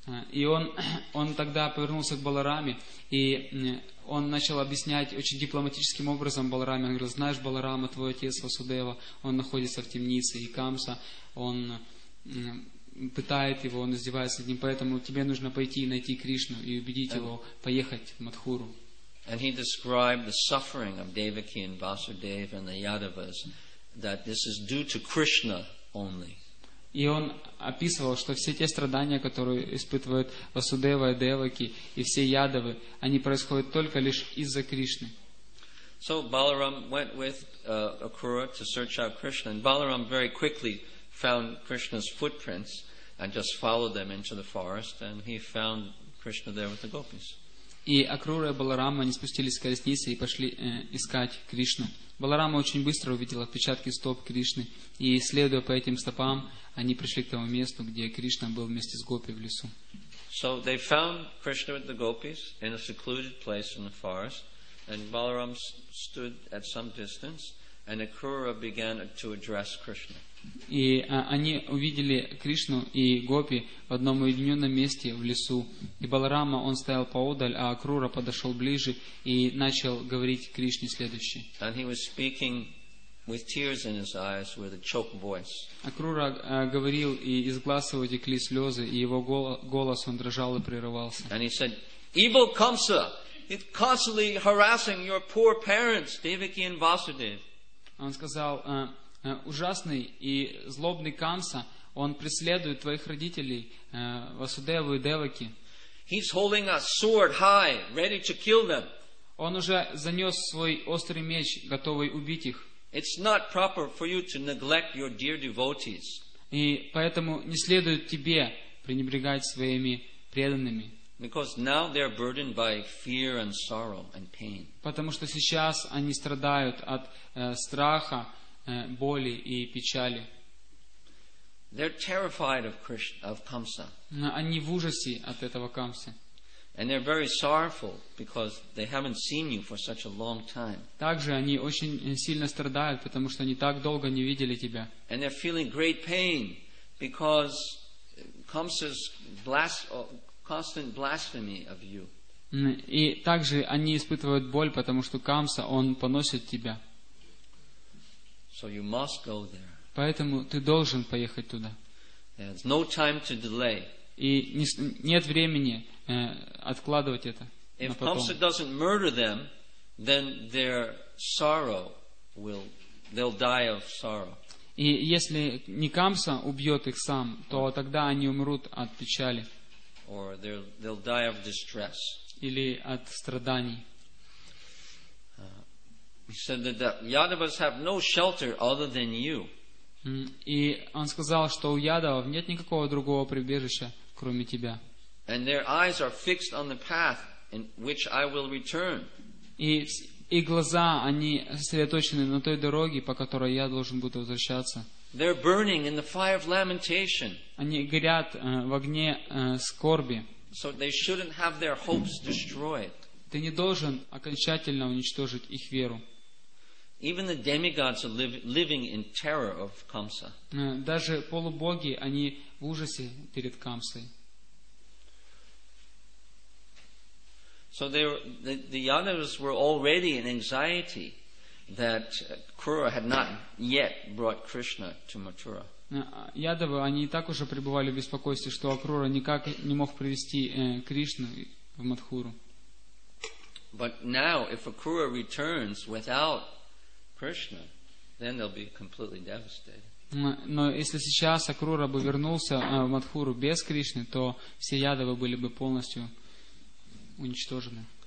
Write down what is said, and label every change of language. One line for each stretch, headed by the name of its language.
Russian: И он тогда повернулся к Балараме, и он начал объяснять очень дипломатическим образом Балараме. Он говорил: знаешь, Баларама, твой отец Васудева, он находится в темнице, и Камса, он пытает его, он издевается над ним, поэтому тебе нужно пойти и найти Кришну и убедить его поехать в Матхуру.
English: And he described the suffering of Devaki and Vasudeva and the Yadavas, that this is due to Krishna only.
Russian: И он описывал, что все те страдания, которые испытывают Васудева и Деваки и все Ядавы, они происходят только лишь из-за Кришны.
English: So Balaram went with Akura to search out Krishna, and Balaram very quickly found Krishna's footprints and just followed them into the forest, and he found Krishna there with the gopis.
Russian: И Акрура и Баларама, они спустились с колесницы и пошли искать Кришну. Баларама очень быстро увидел отпечатки стоп Кришны, и следуя по этим стопам, они пришли к тому месту, где Кришна был вместе с гопи в лесу.
English: So they found Krishna with the gopis in a secluded place in the forest, and Balaram stood at some distance, and Akrura began to address Krishna.
Russian: И они увидели Кришну и гопи в одном уединенном месте в лесу. И Баларама, он стоял поодаль, а Акрура подошел ближе и начал говорить Кришне следующее.
English: And he was speaking with tears in his eyes, with a choked voice.
Russian: Акрура говорил, и из глаз его текли слезы, и его голос, он дрожал и прерывался.
English: And he said, evil Kamsa, it's constantly harassing your poor parents, Devaki and Vasudev.
Russian: Он сказал, ужасный и злобный Камса, он преследует твоих родителей, Васудеву и Деваки.
English: He's holding a sword high, ready to kill them.
Russian: Он уже занес свой острый меч, готовый убить их.
English: It's not proper for you to neglect your dear devotees.
Russian: И поэтому не следует тебе пренебрегать своими преданными.
English: Because now they are burdened by fear and sorrow and pain.
Russian: Потому что сейчас они страдают от страха, боли и печали.
English: They're terrified of Krishna, of Kamsa.
Russian: Они в ужасе от этого Камсы.
English: And they're very sorrowful because they haven't seen you for such a long time.
Russian: Также они очень сильно страдают, потому что они так долго не видели тебя.
English: And they're feeling great pain because Kamsa's constant blasphemy of you.
Russian: И также они испытывают боль, потому что Камса, он поносит тебя.
English: So you must go there.
Russian: Поэтому ты должен поехать туда.
English: There's no time to delay.
Russian: И нет времени откладывать это.
English: If Kamsa doesn't murder them, then their sorrow will, they'll die of sorrow.
Russian: И если не Камса убьет их сам, то тогда они умрут от печали.
English: Or they'll die of distress.
Russian: Или от страданий.
English: He said that the Yadavas have no shelter other than you.
Russian: И он сказал, что у Ядавов нет никакого другого прибежища, кроме тебя.
English: And their eyes are fixed on the path in which I will return.
Russian: И глаза, они сосредоточены на той дороге, по которой я должен буду возвращаться.
English: They're burning in the fire of lamentation.
Russian: Они горят в огне скорби.
English: So they shouldn't have their hopes destroyed.
Russian: Ты не должен окончательно уничтожить их веру.
English: Even the demigods are living in terror of Kamsa.
Russian: Даже полубоги, они в ужасе перед Камсой.
English: So the Yadavas were already in anxiety that Krura had not yet brought Krishna to Mathura.
Russian: Ядавы, они и так уже пребывали в беспокойстве, что Акрура никак не мог привести Кришну в Матхуру.
English: But now, if Akrura returns without Krishna, then they'll be completely devastated.
Russian: Но если сейчас Акрура бы вернулся в Матхуру без Кришны, то все Ядавы были бы полностью уничтожены.